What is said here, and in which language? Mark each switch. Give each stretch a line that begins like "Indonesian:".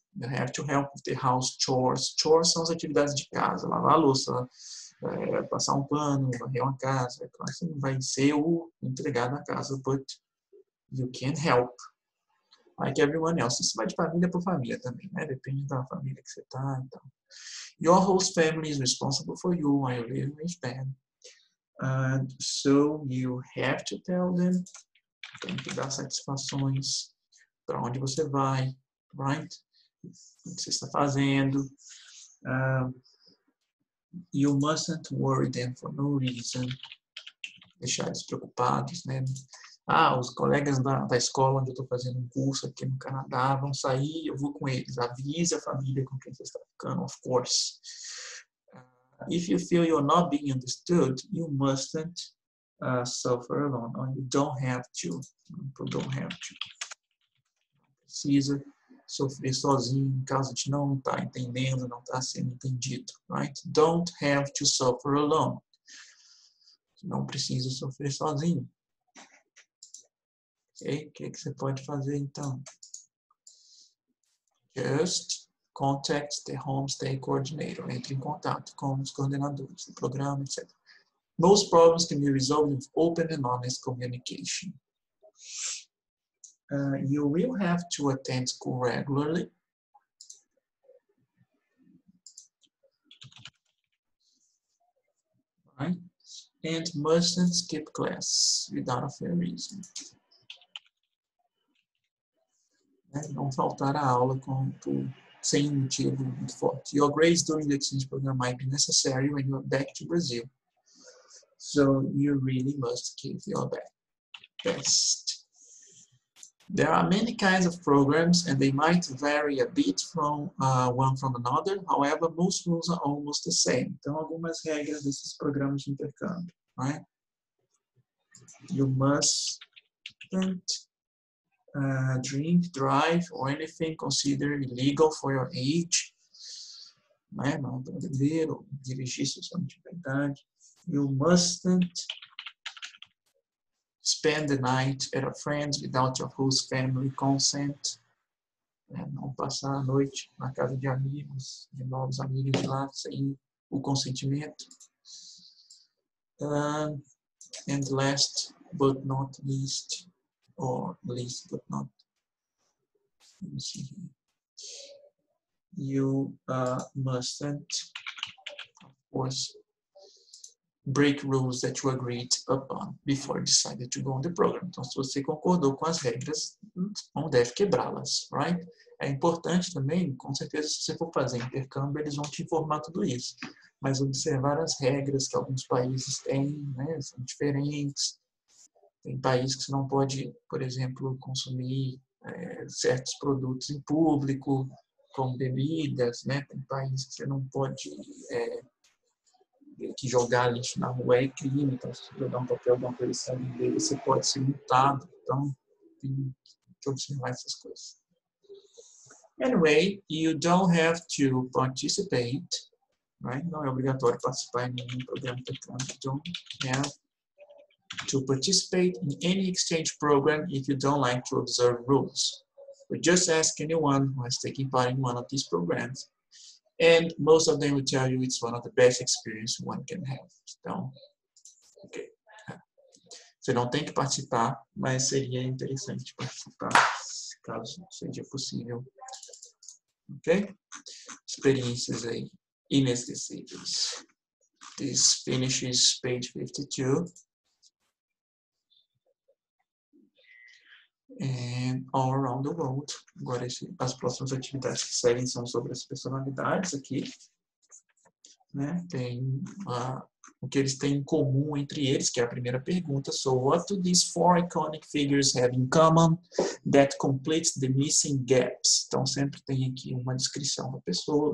English: You have to help with the house chores.
Portuguese: Chores são as atividades de casa, lavar a louça, passar um pano, varrer uma casa. Claro que você não vai ser o empregado na casa,
English: but you can help. Like everyone else.
Portuguese: Isso vai de família por família também, né? Depende da família que você está. Então.
English: Your host family is responsible for you while you live with them. And so you have to tell them.
Portuguese: Tem que dar satisfações para onde você vai, right? O que você está fazendo.
English: You mustn't worry them for no reason.
Portuguese: Deixar eles preocupados, né? Ah, os colegas da escola onde eu estou fazendo um curso aqui no Canadá vão sair, eu vou com eles. Avisa a família com quem você está ficando,
English: of course. If you feel you're not being understood, you mustn't suffer alone. You don't have to. People don't have to.
Portuguese: Precisa sofrer sozinho em caso de não estar entendendo, não estar sendo entendido, right?
English: Don't have to suffer alone.
Portuguese: Não precisa sofrer sozinho. Okay? O que é que você pode fazer então?
English: Just contact the homestay coordinator.
Portuguese: Entre em contato com os coordenadores do programa, etc.
English: Most problems can be resolved with open and honest communication. You will have to attend school regularly. Right? And mustn't skip class without a fair reason.
Portuguese: Não faltar a aula sem motivo muito forte.
English: Your grades during the exchange program might be necessary when you're back to Brazil. So you really must give your best. There are many kinds of programs and they might vary a bit from one from another. However, most rules are almost the same.
Portuguese: Então, algumas regras desses programas de intercâmbio, right?
English: You mustn't drink, drive, or anything considered illegal for your age.
Portuguese: Né? Não beber ou dirigir se você não tiver idade.
English: You mustn't spend the night at a friend's without your host family consent.
Portuguese: Né? Não passar a noite na casa de amigos, de novos amigos lá, sem o consentimento.
English: And last but not least, or least but not, let me see here. You mustn't, of course, break rules that you agreed upon before you decided to go on the program.
Portuguese: Então, se você concordou com as regras, não deve quebrá-las, right? É importante também, com certeza, se você for fazer intercâmbio, eles vão te informar tudo isso. Mas observar as regras que alguns países têm, né, são diferentes. Tem países que você não pode, por exemplo, consumir certos produtos em público, como bebidas, né? Tem países que você não pode que jogar lixo na rua é crime, então se você jogar um papel de uma coisa dele, você pode ser multado. Então, tem que observar essas coisas.
English: Anyway, you don't have to participate, right?
Portuguese: Não é obrigatório participar em nenhum programa de intercâmbio.
English: Don't have to participate in any exchange program if you don't like to observe rules. We just ask anyone who has taken part in one of these programs, and most of them will tell you it's one of the best experiences one can have.
Portuguese: Então, ok. Você não tem que participar, mas seria interessante participar, caso seja possível. Ok? Experiências aí inesquecíveis.
English: This finishes page 52. And all around the world.
Portuguese: Agora, as próximas atividades que seguem são sobre as personalidades aqui. Né? Tem o que eles têm em comum entre eles, que é a primeira pergunta.
English: So, what do these four iconic figures have in common that completes the missing gaps?
Portuguese: Então, sempre tem aqui uma descrição da pessoa.